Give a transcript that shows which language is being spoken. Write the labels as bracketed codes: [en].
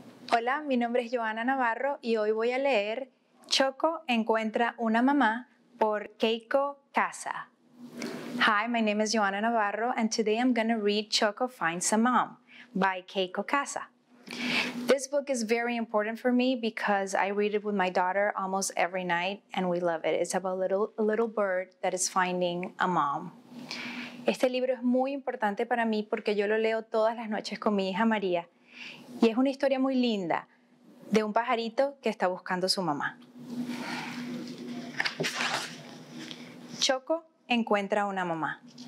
[es] Hola, mi nombre es Joana Navarro y hoy voy a leer Choco encuentra una mamá por Keiko Casa. [en] Hi, my name is Joana Navarro and today I'm going to read Choco Finds a Mom by Keiko Casa. This book is very important for me because I read it with my daughter almost every night and we love it. It's about a little bird that is finding a mom. [es] Este libro es muy importante para mí porque yo lo leo todas las noches con mi hija María. Y es una historia muy linda de un pajarito que está buscando a su mamá. Choco encuentra una mamá.